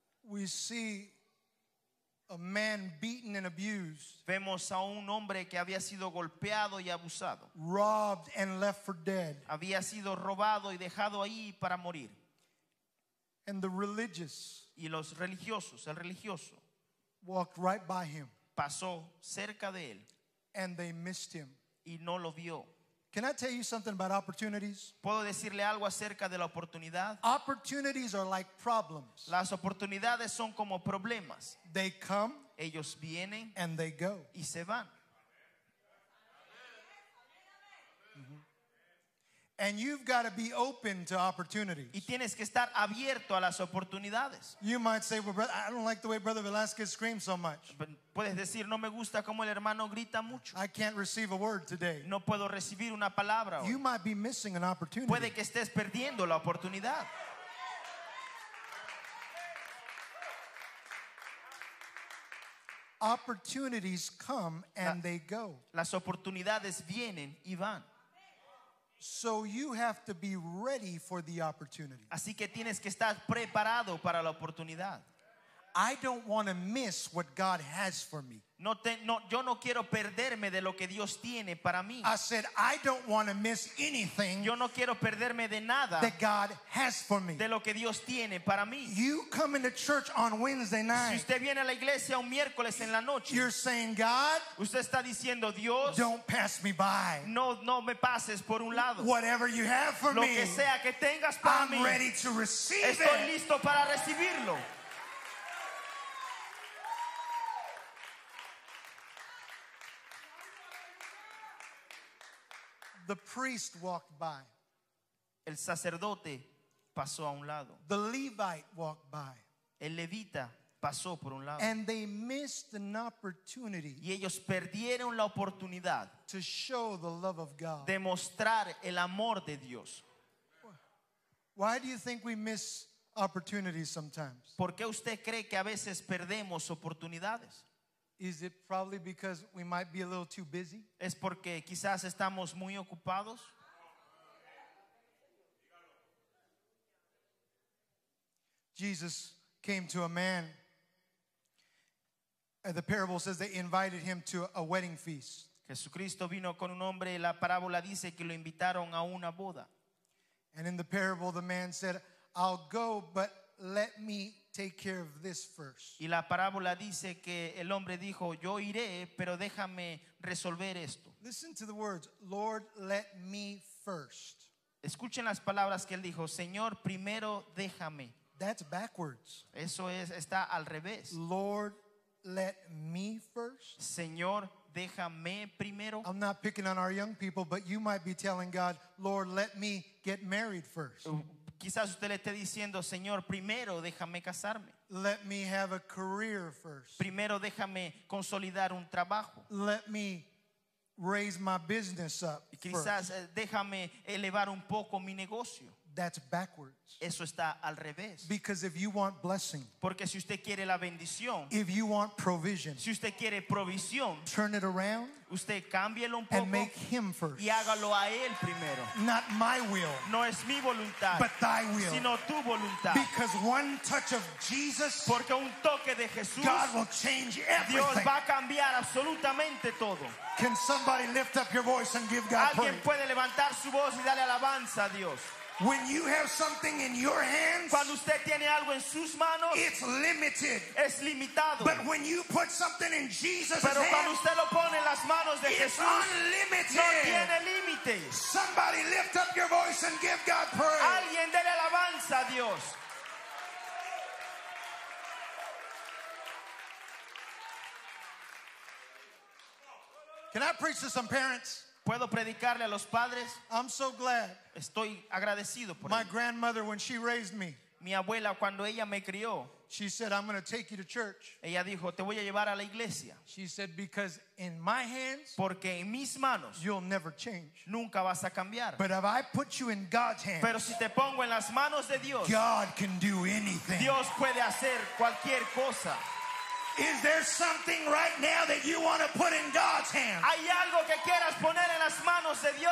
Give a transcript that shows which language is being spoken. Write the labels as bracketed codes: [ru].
[en] We see a man beaten and abused. [es] Vemos a un hombre que había sido golpeado y abusado. [en] Robbed and left for dead. [es] Había sido robado y dejado ahí para morir. [en] And the religious. [es] Y los religiosos, el religioso. [en] Walked right by him. [es] Pasó cerca de él. [en] And they missed him. [es] Y no lo vio. [en] Can I tell you something about opportunities? [es] ¿Puedo decirle algo acerca de la oportunidad? [en] Opportunities are like problems. [es] Las oportunidades son como problemas. [en] They come. [es] Ellos vienen. [en] And they go. [es] Y se van. [en] And you've got to be open to opportunities. [es] Y tienes que estar abierto a las oportunidades. [en] You might say, well, brother, I don't like the way Brother Velázquez screams so much. [es] Puedes decir, no me gusta cómo el hermano grita mucho. [en] I can't receive a word today. [es] No puedo recibir una palabra hoy. [en] You might be missing an opportunity. [es] Puede que estés perdiendo la oportunidad. [en] Opportunities come and they go. [es] Las oportunidades vienen y van. [en] So you have to be ready for the opportunity. [es] Así que tienes que estar preparado para la oportunidad. [en] I don't want to miss what God has for me. [es] Yo no quiero perderme de lo que Dios tiene para mí. [en] I said I don't want to miss anything. [es] Yo no quiero perderme de nada. [en] That God has for me. [es] De lo que Dios tiene para mí. [en] You come into church on Wednesday night. [es] Si usted viene a la iglesia un miércoles en la noche. [en] You're saying God. [es] Usted está diciendo Dios. [en] Don't pass me by. [es] No me pases por un lado. [en] Whatever you have for me. [es] Lo que sea que tengas para [en] mí. I'm ready to receive it. [es] Estoy listo para recibirlo. [en] The priest walked by. [es] El sacerdote pasó a un lado. [en] The Levite walked by. [es] El levita pasó por un lado. [en] And they missed an opportunity. [es] Y ellos perdieron la oportunidad. [en] To show the love of God. [es] De mostrar el amor de Dios. [en] Why do you think we miss opportunities sometimes? [es] ¿Por qué usted cree que a veces perdemos oportunidades? [en] Is it probably because we might be a little too busy? [es] ¿Es porque quizás estamos muy ocupados? [en] Jesus came to a man. The parable says they invited him to a wedding feast. [es] Jesucristo vino con un hombre. La parábola dice que lo invitaron a una boda. [en] And in the parable, the man said, "I'll go, but let me take care of this first." [es] Y la parábola dice que el hombre dijo, yo iré, pero déjame resolver esto. [en] Listen to the words, Lord, let me first. [es] Escuchen las palabras que él dijo, Señor, primero déjame. [en] That's backwards. [es] Eso es, está al revés. [en] Lord, let me first. [es] Señor, déjame primero. [en] I'm not picking on our young people, but you might be telling God, Lord, let me get married first. [es] Quizás usted le esté diciendo, Señor, primero déjame casarme. [en] Let me have a career first. [es] Primero déjame consolidar un trabajo. [en] Let me raise my business up. [es] Quizás [en] first. [es] Déjame elevar un poco mi negocio. [en] That's backwards. [es] Eso está al revés. [en] Because if you want blessing, [es] porque si usted quiere la bendición, [en] if you want provision, [es] si usted quiere provisión, [en] turn it around, [es] usted cámbielo un poco, [en] and make him first, [es] y hágalo a él primero. [en] Not my will, [es] no es mi voluntad, [en] but thy will, [es] sino tu voluntad. [en] Because one touch of Jesus, [es] porque un toque de Jesús, [en] God will change everything. [es] Dios va a cambiar absolutamente todo. [en] Can somebody lift up your voice and give God [es] alguien [en] praise? [es] Puede levantar su voz y darle alabanza a Dios. [en] When you have something in your hands, [es] cuando usted tiene algo en sus manos, [en] it's limited. [es] Es limitado. [en] But when you put something in Jesus' [es] pero [en] hands, [es] cuando usted lo pone en las manos de [en] it's [es] Jesús, [en] unlimited. [es] No tiene límites. [en] Somebody lift up your voice and give God praise. [es] Alguien dele alabanza a Dios. [en] Can I preach to some parents? [es] Puedo predicarle a los padres. [en] I'm so glad. [es] Estoy agradecido por [en] my grandmother when she raised me. [es] mi abuela cuando ella me crió. [en] She said, "I'm going to take you to church." [es] Ella dijo, "Te voy a llevar a la iglesia." [en] She said, "Because in my hands, [es] porque en mis manos, [en] you'll never change. [es] Nunca vas a cambiar. [en] But if I put you in God's hands, [es] pero si te pongo en las manos de Dios, [en] God can do anything. [es] Dios puede hacer cualquier cosa." [en] Is there something right now that you want to put in God's hands? [es] Hay algo que quieras poner en las manos de Dios.